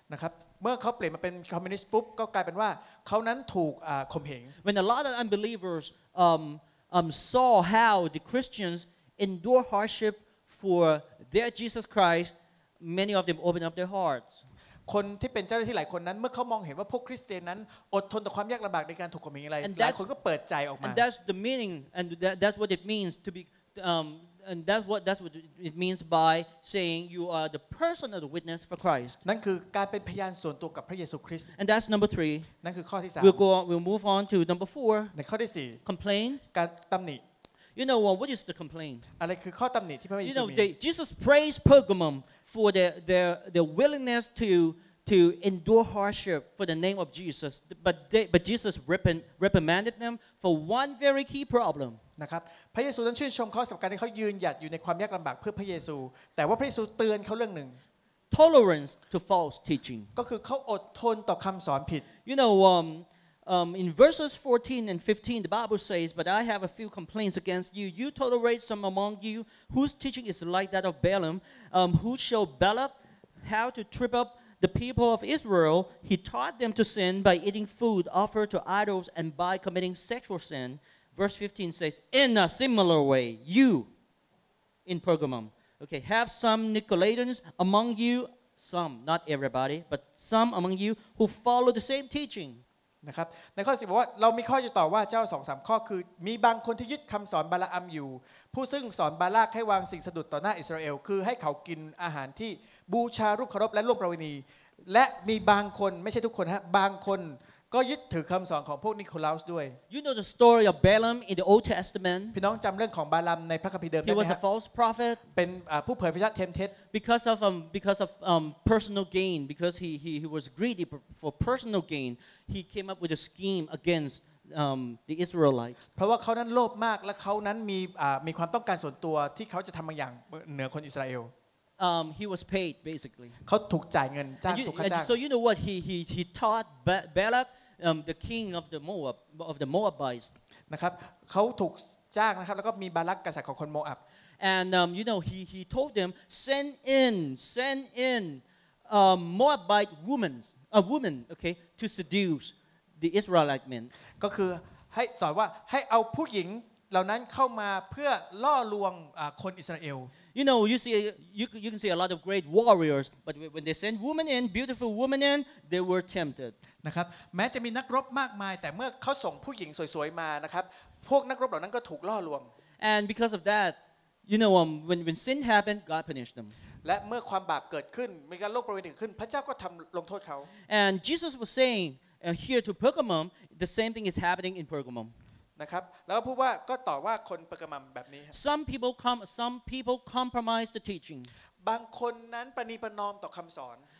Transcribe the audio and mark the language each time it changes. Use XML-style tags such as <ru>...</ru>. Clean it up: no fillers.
<th>นะครับเมื่อเขาเปลี่ยนมาเป็นคอมมิวนิสต์ปุ๊บก็กลายเป็นว่าเขานั้นถูกข่มเหง</th> <en>when a lot of unbelievers saw how the Christians endure hardship for their Jesus Christ many of them opened up their hearts</en> <th>คนที่เป็นเจ้าหน้าที่หลายคนนั้นเมื่อเขามองเห็นว่าพวกคริสเตียนนั้นอดทนต่อความยากลำบากในการถูกข่มเหงอะไรหลายคนก็เปิดใจออกมา</th> <en>and that's the meaning and that's what it means to be and that's what it means by saying you are the person of the witness for Christ</en> <th>นั่นคือการเป็นพยานส่วนตัวกับพระเยซูคริสต์</th> <en>and that's number 3</en> <th>นั่นคือข้อที่3</th> <en>we'll move on to number 4</en> <th>ในข้อที่4</th> <en>complain</en> <th>การตําหนิ</th> <en>you know what is the complaint</en> <th>อะไรคือข้อตําหนิที่พระเยซูมี</th> <en>you know Jesus praised Pergamum for their willingness to endure hardship for the name of Jesus but Jesus reprimanded them for one very key problem</en> <th>นะครับพระเยซูท่านชื่นชมเขาสำหรับการที่เขายืนหยัดอยู่ในความยากลำบากเพื่อพระเยซูแต่ว่าพระเยซูเตือนเขาเรื่องหนึ่ง</th> <en>tolerance to false teaching</en> <th>ก็คือเขาอดทนต่อคำสอนผิด</th> <en>you know in verses 14 and 15 the Bible says but I have a few complaints against you you tolerate some among you whose teaching is like that of Balaam who shall Balak how to trip upThe people of Israel, he taught them to sin by eating food offered to idols and by committing sexual sin. Verse 15 says, in a similar way, you in Pergamum. Okay, have some Nicolaitans among you, some, not everybody, but some among you who follow the same teaching.</en> <th>นะครับในข้อ10บอกว่าเรามีข้อจะต่อว่าเจ้า 2-3 ข้อคือมีบางคนที่ยึดคำสอนบาลาอัมอยู่ผู้ซึ่งสอนบาลากให้วางสิ่งสะดุดต่อหน้าอิสราเอลคือให้เขากินอาหารที่บูชารูปเคารพและร่วมประเวณีและมีบางคนไม่ใช่ทุกคนฮะบางคนก็ยึดถือคำสอนของพวกนิโคลาสด้วย</th> <en>You know the story of Balaam in the Old Testament</en> <th>พี่น้องจำเรื่องของบาลามในพระคัมภีร์เดิมได้ไหม</th> <en>ฮะ He was a false prophet</en> <th>เป็นผู้เผยพระชาติเทมเท็ด</th> <en>because of personal gain because he was greedy for personal gain he came up with a scheme againstthe Israelites</en> <th>เพราะว่าเขานั้นโลภมากและเขานั้นมีความต้องการส่วนตัวที่เขาจะทำบางอย่างเหนือคนอิสราเอล</th> <en>He was paid basically.</en> <th>เขาถูกจ่ายเงินจ้างถูกค่าจ้าง</th> <en>So you know what he taught Balak the king of the Moabites.</en> <th>นะครับเขาถูกจ้างนะครับแล้วก็มีบาลักกษัตริย์ของคนโมอับ</th> <en>And you know he told them send in Moabite women a woman okay to seduce the Israelite men.</en> <th>ก็คือให้สอนว่าให้เอาผู้หญิงเหล่านั้นเข้ามาเพื่อล่อลวงคนอิสราเอล</th> <en>You know, you can see a lot of great warriors, but when they send women in, beautiful women in, they were tempted.</en> <th>นะครับแม้จะมีนักรบมากมายแต่เมื่อเขาส่งผู้หญิงสวยๆมานะครับพวกนักรบเหล่านั้นก็ถูกล่อลวง</th> <en>And because of that, you know, when sin happened, God punished them.</en> <th>และเมื่อความบาปเกิดขึ้นมีการโลภประเวณีขึ้นพระเจ้าก็ทำลงโทษเขา</th> <en>And Jesus was saying here to Pergamum, the same thing is happening in Pergamum.</en> <th>นะครับแล้วก็พูดว่าก็ตอบว่าคนปะกะมัมแบบนี้</th> <en>Some people compromise the teaching</en> <th>บางคนนั้นประนีประนอมต่อคำสอน</th>